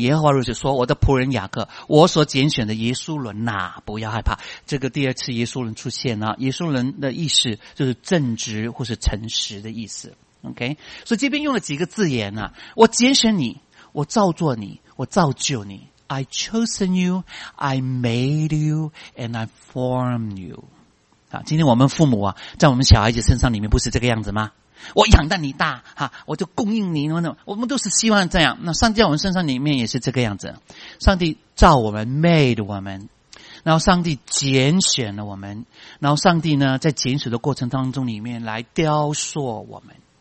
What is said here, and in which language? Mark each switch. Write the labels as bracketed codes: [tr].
[zh] 耶和华如此说，我的仆人雅各，我所拣选的耶稣伦呐、啊，不要害怕。这个第二次耶稣伦出现了、啊，耶稣伦的意思就是正直或是诚实的意思。 OK， 所以这边用了几个字眼呢、啊？我拣选你，我造作你，我造就你。 [en] I chosen you, I made you, and I formed you。 [zh] 今天我们父母啊，在我们小孩子身上里面不是这个样子吗？我养得你大哈，我就供应你，我们都是希望这样。那上帝在我们身上里面也是这个样子，上帝造我们 made 我们，然后上帝拣选了我们，然后上帝呢在拣选的过程当中里面来雕塑我们。